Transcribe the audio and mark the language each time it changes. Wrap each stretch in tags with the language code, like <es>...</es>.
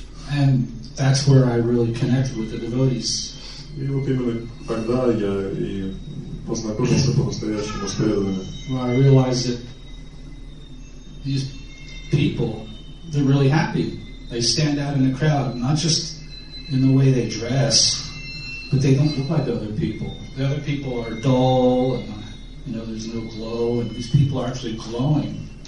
<en>And that's where I really connected with the devotees.</en> <ru>И вот именно тогда я и познакомился по-настоящему с преданными.</ru> <en>Well, I realized that these people, they're really happy. They stand out in the crowd, not just in the way they dress, but they don't look like other people. The other people are dull, and you know, there's no glow, and these people are actually glowing.</en>